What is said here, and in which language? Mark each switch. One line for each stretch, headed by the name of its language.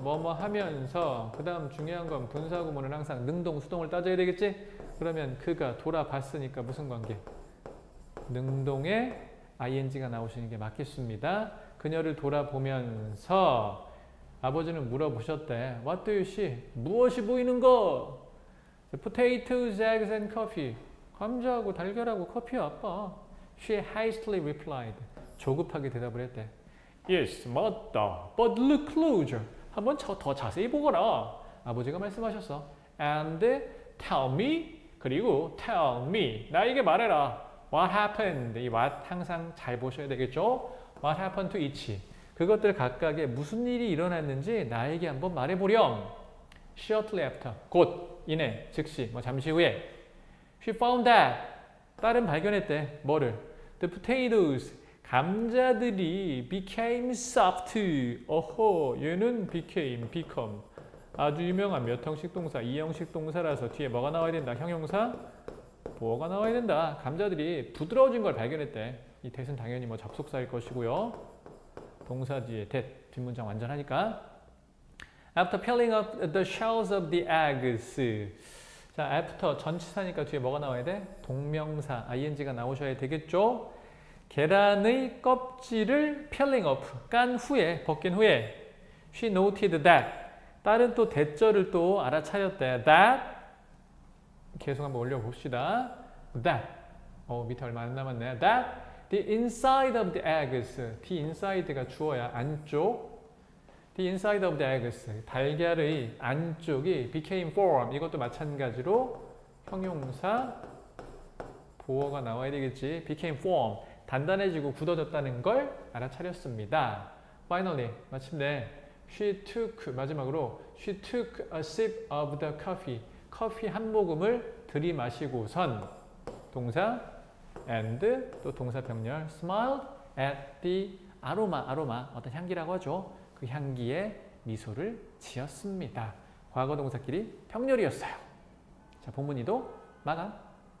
Korean: 뭐뭐 하면서. 그 다음 중요한 건 분사구문은 항상 능동, 수동을 따져야 되겠지? 그러면 그가 돌아봤으니까 무슨 관계? 능동에 ing가 나오시는 게 맞겠습니다. 그녀를 돌아보면서 아버지는 물어보셨대.
English: What do you see?
Korean: 무엇이 보이는 거?
English: Potatoes, eggs and coffee.
Korean: 감자하고 달걀하고 커피야, 아빠.
English: She hastily replied.
Korean: 조급하게 대답을 했대.
English: Yes,
Korean: 맞다.
English: But look closer.
Korean: 한번 더 자세히 보거라. 아버지가 말씀하셨어.
English: And tell me.
Korean: 그리고
English: tell me.
Korean: 나에게 말해라.
English: What happened?
Korean: 이 what 항상 잘 보셔야 되겠죠?
English: What happened to each?
Korean: 그것들 각각에 무슨 일이 일어났는지 나에게 한번 말해보렴.
English: Shortly after.
Korean: 곧. 이내. 즉시. 뭐 잠시 후에.
English: She found that.
Korean: 딸은 발견했대. 뭐를?
English: The potatoes.
Korean: 감자들이
English: became soft.
Korean: 어허, 얘는 became, become. 아주 유명한 몇 형식 동사, 이형식 동사라서 뒤에 뭐가 나와야 된다? 형용사? 뭐가 나와야 된다? 감자들이 부드러워진 걸 발견했대. 이 대신 당연히 뭐 접속사일 것이고요. 동사 뒤에 that, 뒷문장 완전하니까.
English: After peeling off the shells of the eggs.
Korean: 자, after 전치사니까 뒤에 뭐가 나와야 돼? 동명사, ing가 나오셔야 되겠죠? 계란의 껍질을 peeling off, 깐 후에, 벗긴 후에,
English: she noted that.
Korean: 딸은 또 대절을 또 알아차렸대. That. 계속 한번 올려봅시다. That. 밑에 얼마 안 남았네. That.
English: The inside of the eggs. The inside가
Korean: 주어야 안쪽.
English: The inside of the eggs.
Korean: 달걀의 안쪽이
English: became form.
Korean: 이것도 마찬가지로 형용사 보어가 나와야 되겠지.
English: Became form.
Korean: 단단해지고 굳어졌다는 걸 알아차렸습니다.
English: Finally,
Korean: 마침내,
English: she took,
Korean: 마지막으로,
English: she took a sip of the coffee.
Korean: 커피 한 모금을 들이마시고선, 동사, and, 또 동사 병렬,
English: smiled at the aroma, aroma,
Korean: 어떤 향기라고 하죠. 그 향기에 미소를 지었습니다. 과거 동사끼리 병렬이었어요. 자, 본문 이도 마감.